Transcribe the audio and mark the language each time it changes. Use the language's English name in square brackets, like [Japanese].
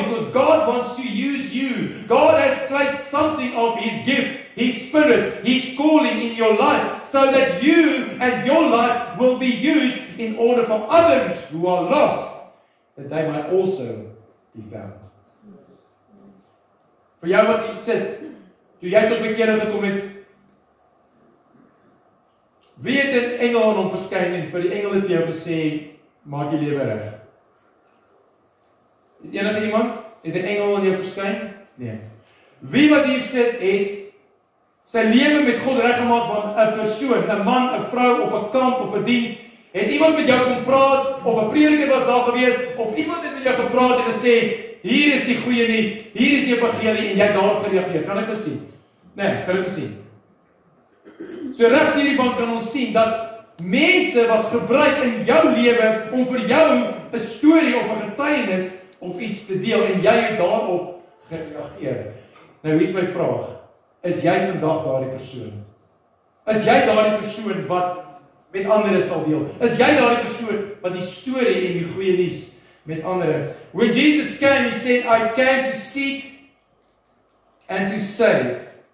[English] Because God wants to use you. God has placed something of his gift, his spirit, his calling in your life so that you and your life will be used in order for others who are lost that they might also be found. [Afrikaans] Vir jou wat hier sit, toe jy tot bekering gekom het, weet 'n engel aan hom verskyn en vir die engel het vir jou gesê maak jou lewe reg. Het enige iemand 'n engel aan jou verskyn? Nee. Wie wat hier sit het sy lewe met God reggemaak want 'n persoon, 'n man, 'n vrou op 'n kamp of 'n diens, het iemand met jou kom praat of 'n prediker was daar gewees of iemand het met jou gepraat en gesê hier is die goeie nuus, hier is die evangelie en jy daarop gereageer. Kan ek dit sien? Nee, kan ek dit sien? So reg hierdie bank kan ons sien dat mense was gebruik in jou lewe om vir jou 'n storie of 'n getuienis of iets te deel en jy het daarop gereageer. Nou hier's my vraag. Is jy vandag daardie persoon? Is jy daardie persoon wat met ander sal deel? Is jy daardie persoon wat die storie en die goeie nuus met ander? [English] When Jesus came, he said, "I came to seek and to save."